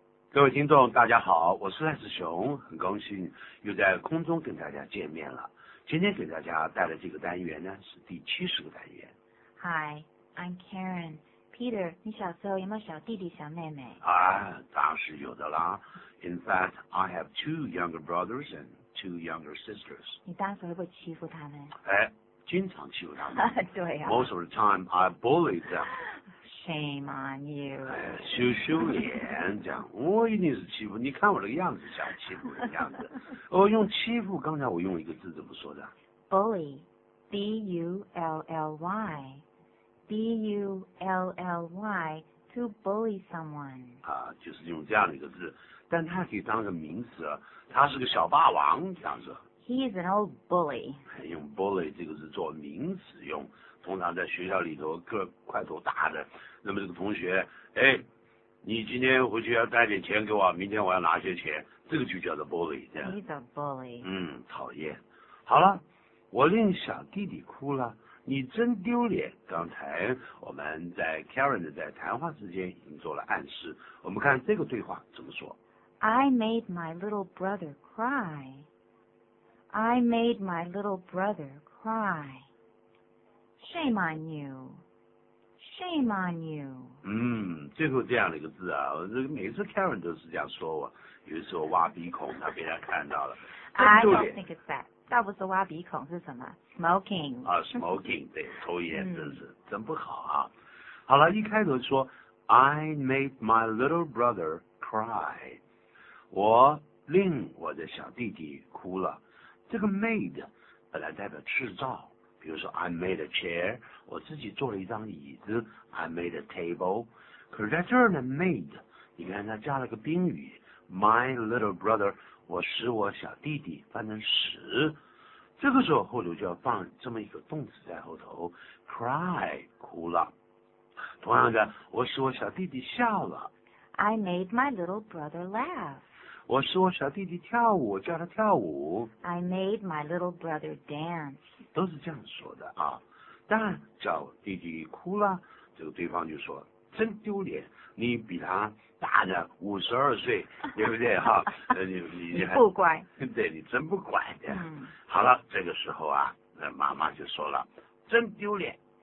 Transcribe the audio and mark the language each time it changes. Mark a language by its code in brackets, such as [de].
[zh] 各位听众大家好，我是赖世雄，很高兴又在空中跟大家见面了。今天给大家带来这个单元呢是第70个单元。 [en] Hi, I'm Karen. [zh] Peter, 你小时候有没有小弟弟小妹妹？啊，当时有的啦。 [en] In fact, I have 2 younger brothers and 2 younger sisters. [zh] 你当时会不会欺负他们？哎，经常欺负他们。对啊。 [en] Most of the time, I bullied them. Shame on you. [zh] 哎，羞羞脸这样，我一定是欺负，你看我这个样子像欺负的样子。哦，用欺负，刚才我用一个字怎么说的？ [en] Bully, B-U-L-L-Y, B-U-L-L-Y, to bully someone. [zh] 啊，就是用这样的一个字，但它可以当个名词，它是个小霸王这样子。 [en] He is an old bully. [zh] 用 bully 这个字做名词用，通常在学校里头个块头大的，那么这个同学，哎，你今天回去要带点钱给我，明天我要拿些钱，这个就叫做 bully。 [en] He's a bully. [zh] 嗯，讨厌。好了，我令小弟弟哭了，你真丢脸。刚才我们在 Karen 的在谈话之间已经做了暗示，我们看这个对话怎么说。 [en] I made my little brother cry. I made my little brother cry. Shame on you. Shame on you. [zh] 最后这样的一个字啊，每次 Karen 都是这样说我，有时候挖鼻孔，他被他看到了。 [en] I don't think it's that. [zh] 倒不是挖鼻孔，是什么？ [en] Smoking. [zh] 啊， smoking, 对，抽烟，真是，真不好啊。好了，一开头说 [en] I made my little brother cry. [zh] 我令我的小弟弟哭了。这个 made 本来代表制造，比如说 [en] I made a chair， [zh] 我自己做了一张椅子， [en] I made a table。 [zh] 可是在这儿呢， made 你看它加了个宾语， [en] my little brother， [zh] 我使我小弟弟，翻成使，这个时候后头就要放这么一个动词在后头， cry， 哭了。同样的，我使我小弟弟笑了， [en] I made my little brother laugh。 [zh] 我使我小弟弟跳舞，叫他跳舞。 [en] I made my little brother dance. [zh] 都是这样说的啊。但叫弟弟哭了，这个对方就说：“真丢脸，你比他大的52岁，对不对哈？” 你不乖。对，你真不乖的。好了，这个时候啊，那妈妈就说了：“真丢脸。